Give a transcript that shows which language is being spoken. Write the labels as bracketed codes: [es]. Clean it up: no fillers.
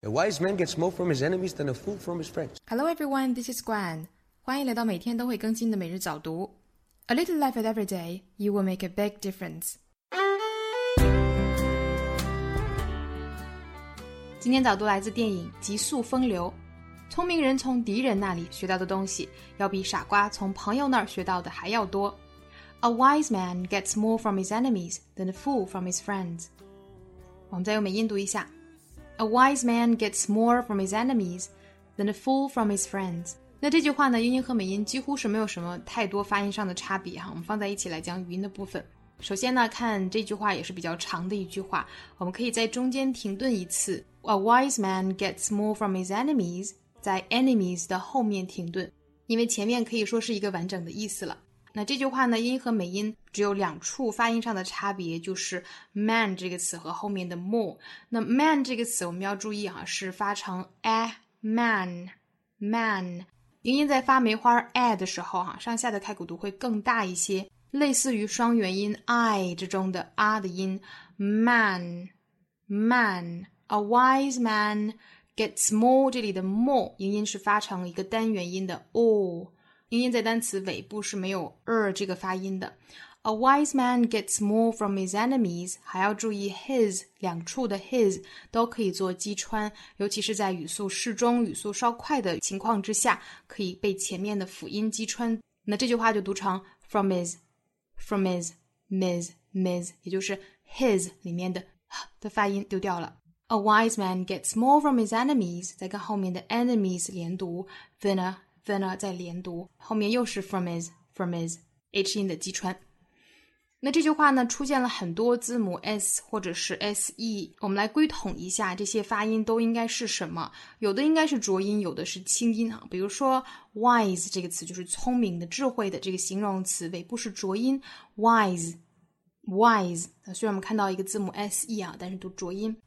[en] A wise man gets more from his enemies than a fool from his friends. Hello everyone, this is Gwen. [zh] 欢迎来到每天都会更新的每日早读。 [en] A little life at every day, you will make a big difference. [zh] 今天早读来自电影《极速风流》。聪明人从敌人那里学到的东西，要比傻瓜从朋友那儿学到的还要多。 [en] A wise man gets more from his enemies than a fool from his friends. [zh] 我们再用美音读一下。 [en] A wise man gets more from his enemies than a fool from his friends. [zh] 那这句话呢，英音和美音几乎是没有什么太多发音上的差别哈。我们放在一起来讲语音的部分。首先呢，看这句话也是比较长的一句话，我们可以在中间停顿一次。 [en] A wise man gets more from his enemies [zh] 在 enemies 的后面停顿，因为前面可以说是一个完整的意思了。那这句话呢，英音和美音只有两处发音上的差别，就是 man 这个词和后面的 more。那 man 这个词我们要注意啊，是发成 a man man。英音在发梅花 a 的时候啊，上下的开口读会更大一些，类似于双元音 i 之中的 r 的音。 [en] man man a wise man gets more， [zh] 这里的 more 英音是发成一个单元音的 o。英音在单词尾部是没有 这个发音的。 [en] A wise man gets more from his enemies， [zh] 还要注意 his， 两处的 his 都可以做击穿，尤其是在语速适中语速稍快的情况之下，可以被前面的辅音击穿。那这句话就读成 from his 也就是 his 里面的的发音丢掉了。 [en] A wise man gets more from his enemies， [zh] 再跟后面的 enemies 连读 thinner 再连读，后面又是 from his H 音的击穿。那这句话呢，出现了很多字母 S 或者是 SE， 我们来归统一下这些发音都应该是什么。有的应该是浊音，有的是清音啊。比如说 wise 这个词就是聪明的智慧的这个形容词，尾部是浊音 wise 虽然我们看到一个字母 SE 啊，但是读浊音。